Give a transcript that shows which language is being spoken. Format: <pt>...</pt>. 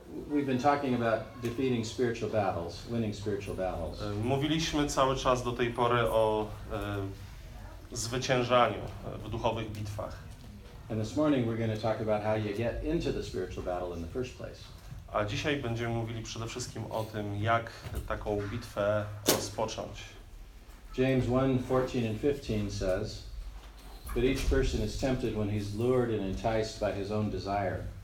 <en>We've been talking about defeating spiritual battles, winning spiritual battles.</en> <pl>Mówiliśmy cały czas do tej pory o zwyciężaniu w duchowych bitwach.</pl> <en>And this morning we're going to talk about how you get into the spiritual battle in the first place.</en> <pl>A dzisiaj będziemy mówili przede wszystkim o tym, jak taką bitwę rozpocząć.</pl> <en>James 1:14 and 15 says, "But each person is tempted when he's lured and enticed by his own desire.</en>